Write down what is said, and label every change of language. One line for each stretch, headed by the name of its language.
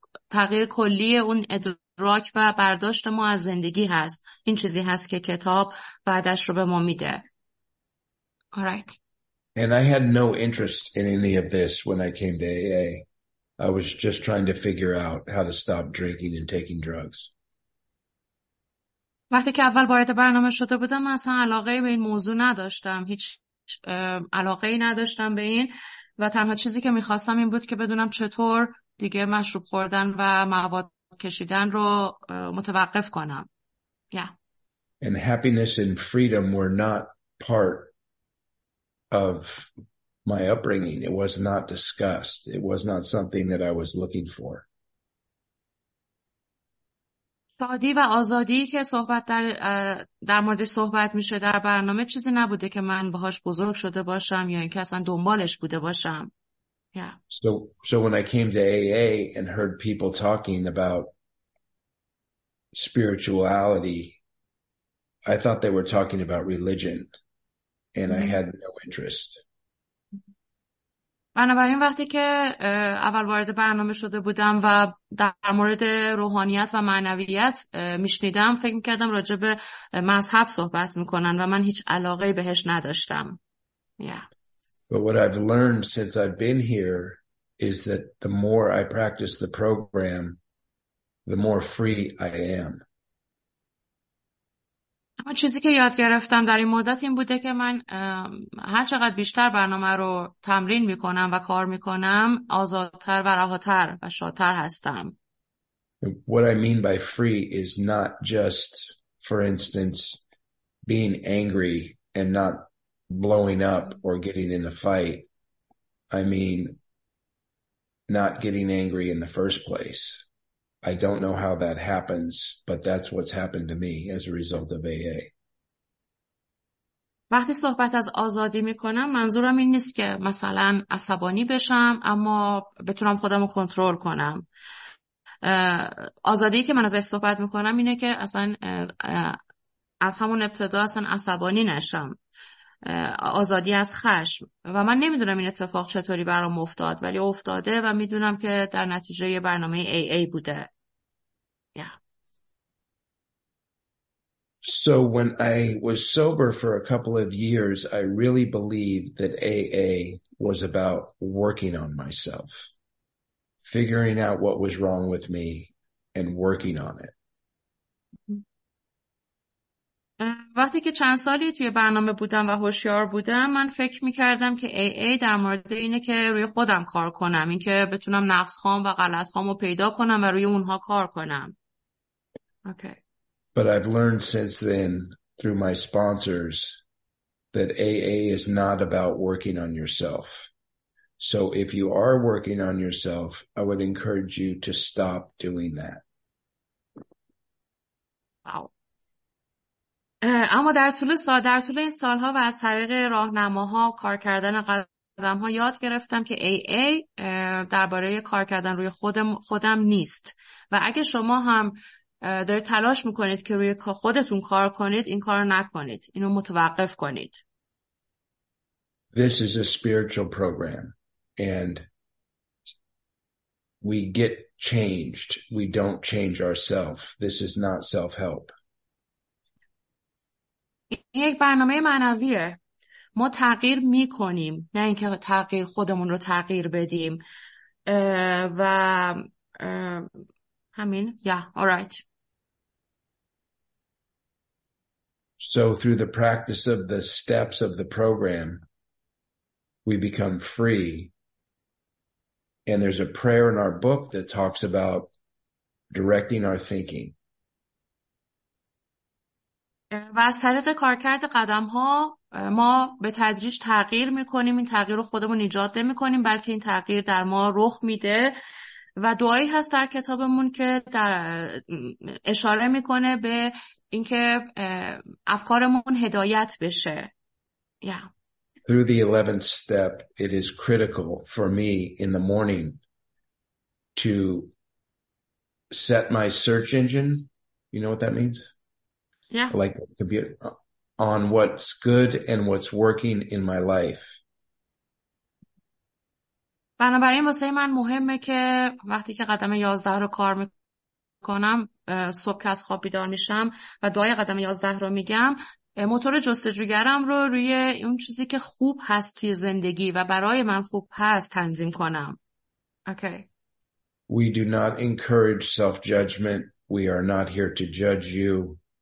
Persian: تغییر کلی اون ادراک و برداشت ما از زندگی هست. این چیزی هست که کتاب بعدش رو به ما میده.
English: Alright. And I had no interest in any of this when I came to AA. I was just trying to figure out how to stop drinking and taking drugs.
Persian: وقتی که اول وارد برنامه شده بودم اصلا علاقه به این موضوع نداشتم. هیچ علاقه ای نداشتم به این و تنها چیزی که میخواستم این بود که بدونم چطور دیگه مشروب خوردن و مواد کشیدن رو متوقف کنم.
English: Yeah. And happiness and freedom were not part of my upbringing. It was not discussed. It was not something that I was looking for.
Persian: شادی و آزادی که صحبت در موردش صحبت میشه در برنامه چیزی نبوده که من باهاش بزرگ شده باشم یا اینکه اصلا دنبالش بوده باشم.
English: Yeah. So when I came to AA and heard people talking about spirituality, I thought they were talking about religion, and I had no interest.
Persian: بنابراین وقتی که اول وارد برنامه شده بودم و در مورد روحانیت و معنویت میشنیدم فکر میکردم راجع به مذهب صحبت میکنن و من هیچ علاقه بهش نداشتم.
English: Yeah. But what I've learned since I've been here is that the more I practice the program, the more free I am.
Persian: اما چیزی که یاد گرفتم در این مدت این بوده که من هر چقدر بیشتر برنامه رو تمرین میکنم و کار میکنم آزادتر و رهاتر و شادتر هستم.
English: What I mean by free is not just, for instance, being angry and not blowing up or getting in a fight. I mean, not getting angry in the first place. I don't know how that happens, but that's what's happened to me as a result of AA.
Persian: وقتی صحبت از آزادی میکنم منظورم این نیست که مثلا عصبانی بشم اما بتونم خودم رو کنترل کنم. آزادی که من ازش صحبت میکنم اینه که اصلا از همون ابتدا اصلا عصبانی نشم. آزادی از خشم و من نمیدونم این اتفاق چطوری برام افتاد ولی افتاده و میدونم که در نتیجه برنامه AA بوده.
English: Yeah. So when I was sober for a couple of years, I really believed that AA was about working on myself, figuring out what was wrong with me and working on it.
Persian: وقتی که چند سالی توی برنامه بودم و هوشیار بودم من فکر میکردم که AA در مورد اینه که روی خودم کار کنم، اینکه بتونم نقص خام و غلط خام رو پیدا کنم و روی اونها کار کنم.
English: Okay. But I've learned since then through my sponsors that AA is not about working on yourself. So if you are working on yourself, I would encourage you to stop doing that. Wow.
Persian: اما در طول این سالها و از طریق راهنماها کار کردن قدمها یاد گرفتم که AA درباره کار کردن روی خودم نیست و اگه شما هم دارید تلاش میکنید که روی خودتون کار کنید این کار نکنید، اینو متوقف کنید.
English: This is a spiritual program and we get changed. We don't change ourselves. This is not self-help.
Persian: این یک برنامه معنویه. ما تغییر میکنیم نه اینکه تغییر خودمون رو تغییر بدیم. و همین.
English: Yeah. All right. So through the practice of the steps of the program, we become free. And there's a prayer in our book that talks about directing our thinking.
Persian: و از طریق کارکرد قدم ها ما به تدریج تغییر میکنیم. این تغییر رو خودمون ایجاد نمی کنیم بلکه این تغییر در ما رخ میده و دعایی هست در کتابمون که در اشاره میکنه به اینکه افکارمون هدایت بشه.
English: Yeah. Through the 11th step, it is critical for me in the morning to set my search engine. You know what that means? Yeah. Like on what's good and what's working in my life.
Persian: بنابراین واسه من مهمه که وقتی که قدم 11 رو کار میکنم، صبح که از خواب بیدار میشم و دعای قدم 11 رو میگم، موتور جستجوگرم رو روی اون چیزی که خوب هست توی زندگی و برای من خوب هست تنظیم کنم.
English: Okay. We do not encourage self-judgment. We are not here to judge you.